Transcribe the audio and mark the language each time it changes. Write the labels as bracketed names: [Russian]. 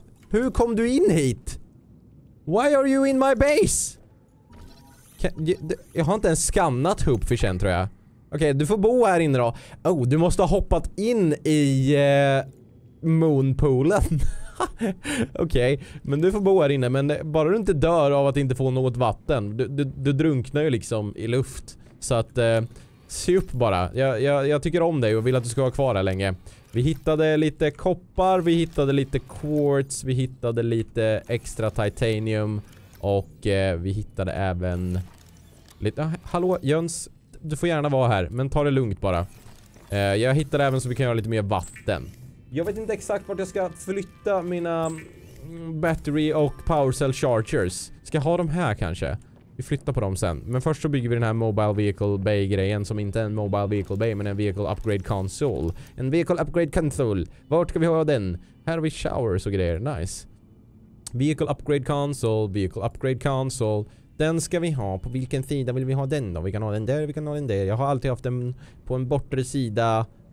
[Swedish] Hur kom du in hit? [English] Why are you in my base? [Swedish] Jag har inte ens skannat Hoop för sen, tror jag. Okej, du får bo här inne då. Oh, du måste ha hoppat in i moonpoolen. Okej, men du får bo här inne. Men bara du inte dör av att inte få något vatten. Du drunknar ju liksom i luft. Så att se upp bara. Jag tycker om dig och vill att du ska vara kvar här länge. Vi hittade lite koppar, vi hittade lite quartz, vi hittade lite extra titanium. Och vi hittade även lite... Hallå, Jöns, du får gärna vara här, men ta det lugnt bara. Jag hittade även så vi kan göra lite mer vatten. Jag vet inte exakt vart jag ska flytta mina battery och power cell chargers. Ska jag ha dem här kanske? Vi flyttar på dem sen. Men först så bygger vi den här mobile vehicle bay-grejen som inte är en mobile vehicle bay, men en vehicle upgrade console. En vehicle upgrade console. Vart ska vi ha den? Här har vi showers och grejer. Nice. Vehicle upgrade console. Vehicle upgrade console. Den ska vi ha. På vilken sida vill vi ha den då? Vi kan ha den där, vi kan ha den där. Jag har alltid haft den på en bortre sida.